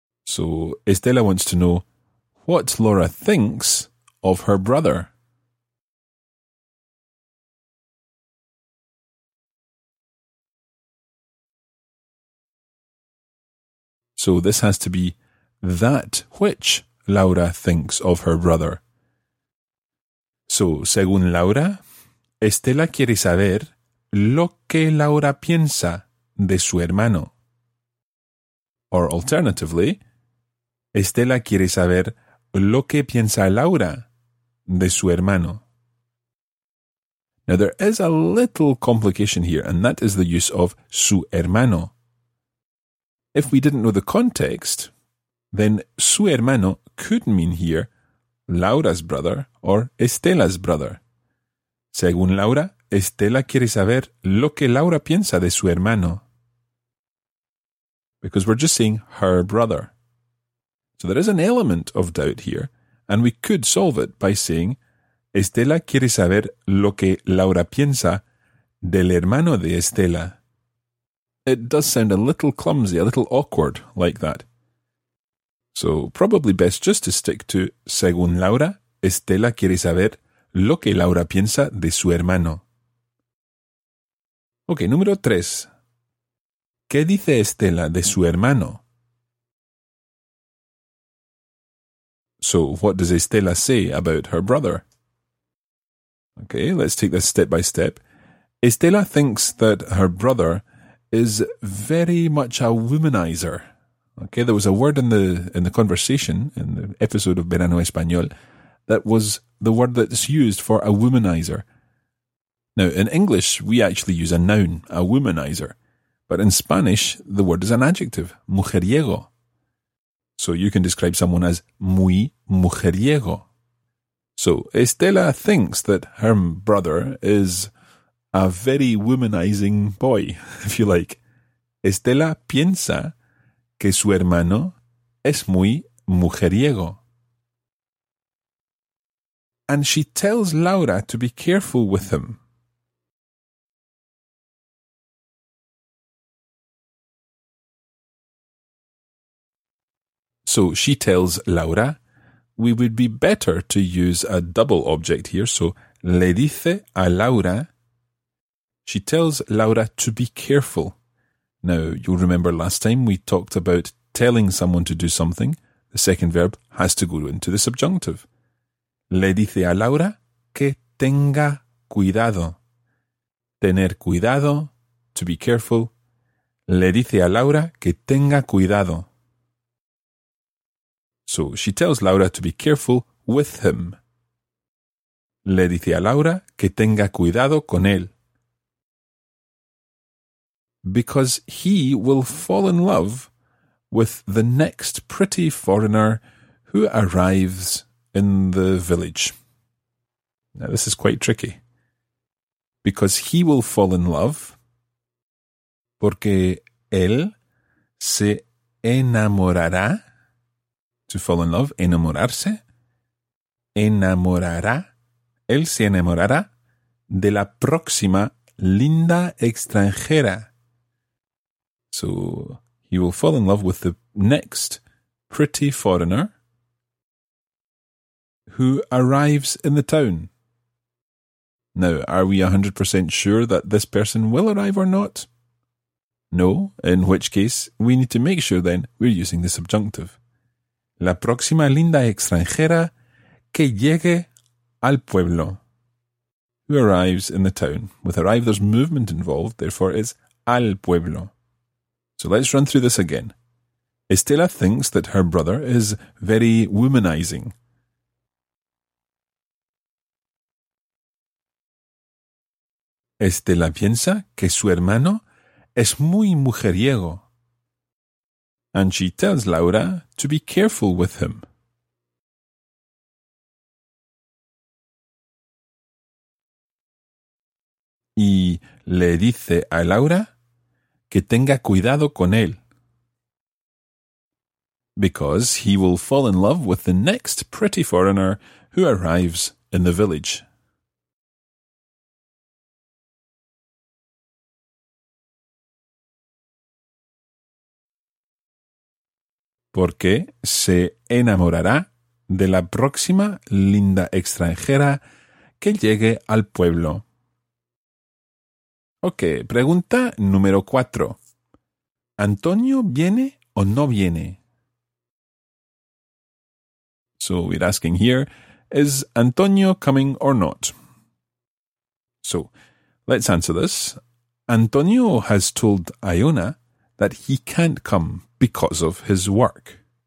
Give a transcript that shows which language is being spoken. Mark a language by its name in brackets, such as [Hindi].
[English] So Estela wants to know what Laura thinks of her brother. So this has to be that which Laura thinks of her brother. [Spanish] So, según Laura, Estela quiere saber lo que Laura piensa de su hermano. [English] Or alternatively, [Spanish] Estela quiere saber lo que piensa Laura de su hermano. [English] Now, there is a little complication here, and that is the use of [Spanish] su hermano. [English] If we didn't know the context, then [Spanish] su hermano [English] could mean here Laura's brother or Estela's brother. [Spanish] Según Laura, Estela quiere saber lo que Laura piensa de su hermano. [English] Because we're just saying her brother. So there is an element of doubt here, and we could solve it by saying [Spanish] Estela quiere saber lo que Laura piensa del hermano de Estela. [English] It does sound a little clumsy, a little awkward like that. So probably best just to stick to [Spanish] según Laura, Estela quiere saber lo que Laura piensa de su hermano. Okay, número tres. ¿Qué dice Estela de su hermano? [English] So what does Estela say about her brother? Okay, let's take this step by step. Estela thinks that her brother is very much a womanizer. Okay, there was a word in the conversation, in the episode of Verano Español, that was the word that's used for a womanizer. Now, in English, we actually use a noun, a womanizer. But in Spanish, the word is an adjective, mujeriego. So you can describe someone as [Spanish] muy mujeriego. [English] So Estela thinks that her brother is a very womanizing boy, if you like. [Spanish] Estela piensa que su hermano es muy mujeriego. [English] And she tells Laura to be careful with him. So she tells Laura, we would be better to use a double object here. So [Spanish] le dice a Laura, [English] she tells Laura to be careful. Now, you'll remember last time we talked about telling someone to do something. The second verb has to go into the subjunctive. [Spanish] Le dice a Laura que tenga cuidado. Tener cuidado, [English] to be careful. [Spanish] Le dice a Laura que tenga cuidado. [English] So she tells Laura to be careful with him. [Spanish] Le dice a Laura que tenga cuidado con él. [English] Because he will fall in love with the next pretty foreigner who arrives in the village. Now, this is quite tricky. Because he will fall in love. [Spanish] Porque él se enamorará. [English] To fall in love, enamorarse. Enamorará. [Spanish] Él se enamorará de la próxima linda extranjera. [English] So he will fall in love with the next pretty foreigner who arrives in the town. Now, are we 100% sure that this person will arrive or not? No, in which case we need to make sure then we're using the subjunctive. [Spanish] La próxima linda extranjera que llegue al pueblo. [English] Who arrives in the town. With arrive, there's movement involved, therefore it's al pueblo. So let's run through this again. Estela thinks that her brother is very womanizing. [Spanish] Estela piensa que su hermano es muy mujeriego. [English] And she tells Laura to be careful with him. [Spanish] Y le dice a Laura que tenga cuidado con él. [English] Because he will fall in love with the next pretty foreigner who arrives in the village. [Spanish] porque se enamorará de la próxima linda extranjera que llegue al pueblo. Ok, pregunta número 4. ¿Antonio viene o no viene? [English] So we're asking here, is Antonio coming or not? So, let's answer this. Antonio has told Iona that he can't come because of his work.